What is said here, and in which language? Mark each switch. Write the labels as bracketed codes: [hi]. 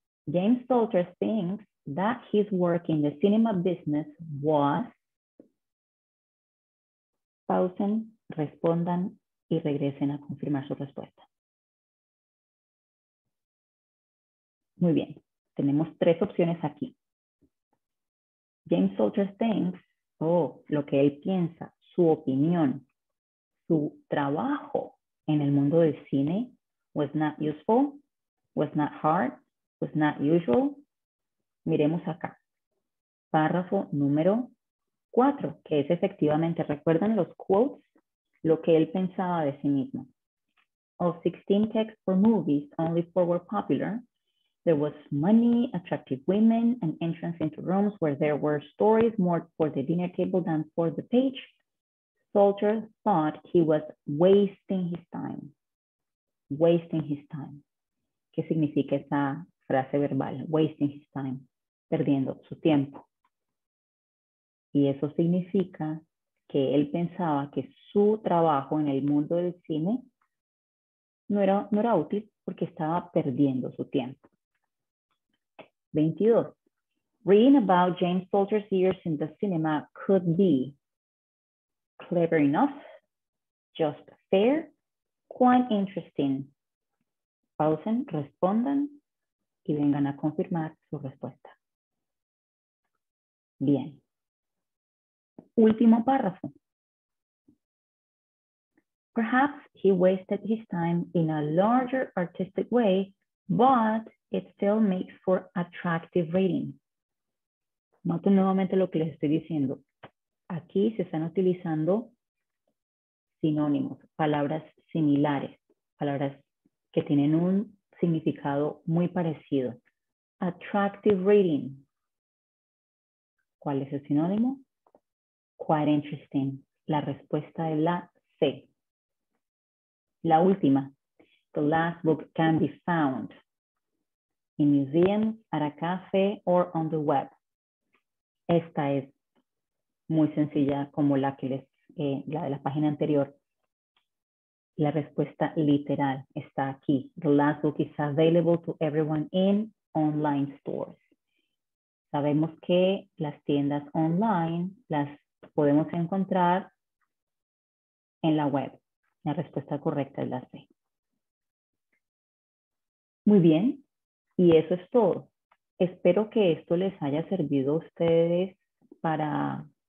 [en] James Salter thinks that his work in the cinema business was... [es] Pausen, respondan y regresen a confirmar su respuesta. Muy bien. Tenemos tres opciones aquí. [en] James Salter thinks, [es] lo que él piensa, su opinión, su trabajo en el mundo del cine [en] was not useful, was not hard, was not usual. [es] Miremos acá, párrafo número 4, que es efectivamente, recuerdan los quotes, lo que él pensaba de sí mismo. [en] Of 16 texts for movies, only 4 were popular. There was money, attractive women, an entrance into rooms where there were stories more for the dinner table than for the page. Salter thought he was wasting his time. Wasting his time. [es] ¿Qué significa esa frase verbal? [en] Wasting his time. [es] Perdiendo su tiempo. Y eso significa que él pensaba que su trabajo en el mundo del cine no era útil porque estaba perdiendo su tiempo. 22. [en] Reading about James Salter's years in the cinema could be clever enough, just fair, quite interesting. [es] Pausen, respondan y vengan a confirmar su respuesta. Bien. Último párrafo. [en] Perhaps he wasted his time in a larger artistic way, but it still makes for attractive reading. [es] Noten nuevamente lo que les estoy diciendo. Aquí se están utilizando sinónimos, palabras similares, palabras que tienen un significado muy parecido. [en] Attractive reading. [es] ¿Cuál es el sinónimo? [en] Quite interesting. [es] La respuesta es la C. La última. [en] The last book can be found in museums, at a cafe, or on the web. [es] Esta es muy sencilla como la que les, la de la página anterior. La respuesta literal está aquí. [en] The last book is available to everyone in online stores. [es] Sabemos que las tiendas online las podemos encontrar en la web. La respuesta correcta es la C. Muy bien, y eso es todo. Espero que esto les haya servido a ustedes para...